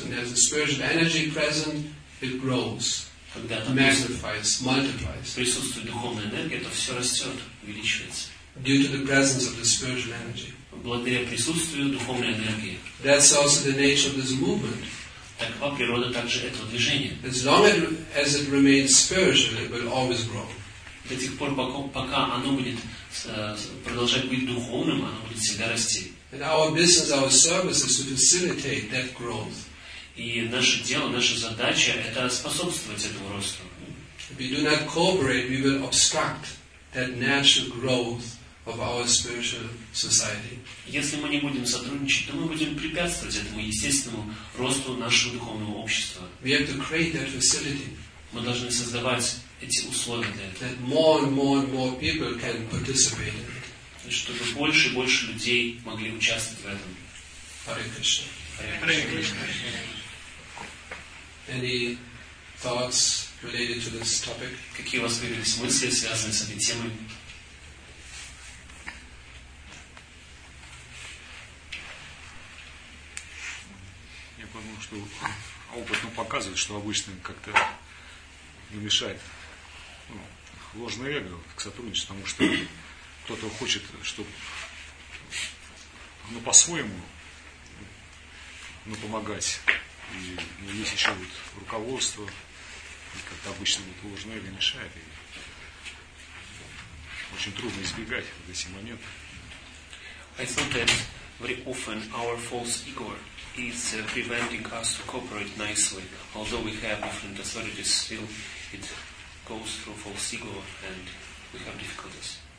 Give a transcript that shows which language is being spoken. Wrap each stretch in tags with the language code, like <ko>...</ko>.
<en>When there's a spiritual energy present, it grows.</en> <ru>Когда там</ru> <en>magnifies, multiplies.</en> <ru>Присутствует духовная энергия, то все растет, увеличивается.</ru> <en>Due to the presence of the spiritual energy.</en> <ru>Благодаря присутствию духовной энергии.</ru> <en>That's also the nature of this movement.</en> <ru>Такова природа также этого движения.</ru> <en>As long as it remains spiritual, it will always grow.</en> <ru>До тех пор, пока оно будет продолжать быть духовным, оно будет всегда расти.</ru> <en>And our business, our service is to facilitate that growth.</en> <ru>И наше дело, наша задача – это способствовать этому росту.</ru> <en>If we do not cooperate, we will obstruct that natural growth of our spiritual society.</en> <ru>Если мы не будем сотрудничать, то мы будем препятствовать этому естественному росту нашего духовного общества.</ru> <en>We have to create that facility.</en> <ru>Мы должны создавать эти условия для этого.</ru> <en>That more and more and more people can participate.</en> <ru>Чтобы больше и больше людей могли участвовать в этом.</ru> <en>Hare Krishna.</en> <ru>Hare Krishna.</ru> <en>Any thoughts related to this topic?</en> <ru>Какие у вас появились мысли, связанные с этой темой? Что опыт показывает, что обычно как-то не мешает ложное эго к сотрудничеству, потому что кто-то хочет, чтобы по-своему помогать. И есть еще вот руководство, и как-то обычно ложное эго мешает. И очень трудно избегать вот эти моменты.</ru> <en>I thought that very often our false ego is preventing us to cooperate nicely. Although we have different authorities, still it goes through false ego and we have difficulties.</en>